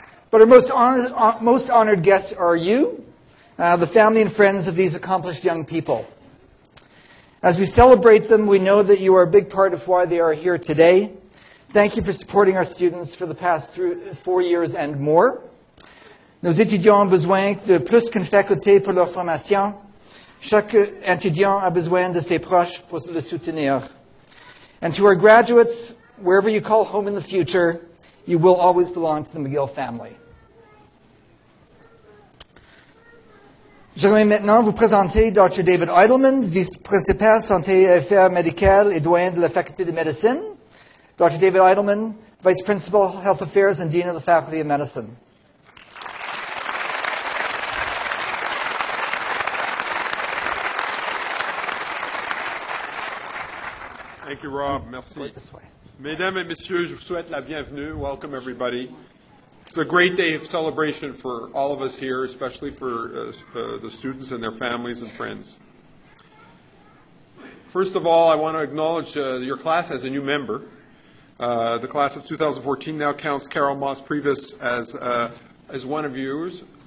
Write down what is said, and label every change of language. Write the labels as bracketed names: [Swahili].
[English] But our most honored guests are you, the family and friends of these accomplished young people. As we celebrate them, we know that you are a big part of why they are here today. Thank you for supporting our students for the past 4 years and more. [French] Nos étudiants ont besoin de plus qu'une faculté pour leur formation. Chaque étudiant a besoin de ses proches pour le soutenir. [English] And to our graduates, wherever you call home in the future, you will always belong to the McGill family. [French] Je vais maintenant vous présenter Dr. David Eidelman, vice-principal santé et affaires médicales et doyen de la faculté de médecine. [English] Dr. David Eidelman, Vice Principal, Health Affairs, and Dean of the Faculty of Medicine. Thank you, Rob. Merci. Wait this way. [French] Mesdames et messieurs, je vous souhaite la bienvenue. [English] Welcome, everybody. It's a great day of celebration for all of us here, especially for the students and their families and friends. First of all, I want to acknowledge your class as a new member. The class of 2014 now counts Carol Moss Priebus as one of yours.